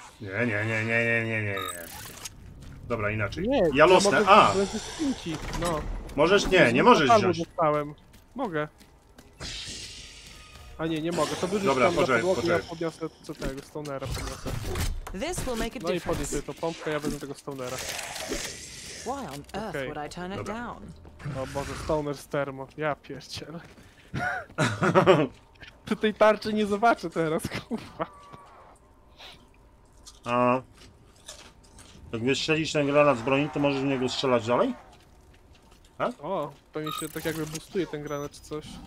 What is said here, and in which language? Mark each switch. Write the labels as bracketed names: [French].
[Polish] Nie. Dobra, inaczej. Nie, ja losnę. Ja mogę, Możesz? Nie możesz wziąć. Dostałem. Mogę. A nie mogę. To by dobra, podniosę co tego stonera podniosę. [English] This will make a difference. [Polish] No i podnieś sobie tą pompkę, ja wezmę tego stonera. [English] Why on earth would I turn it down? [Polish] O Boże, stoner z termo. Ja pierdzielę. Ty tej tarczy nie zobaczę teraz, kurwa. A. Jak wiesz, strzelisz ten granat z broni, to możesz w niego strzelać dalej? A? O, pewnie się tak jakby boostuje ten granat czy coś.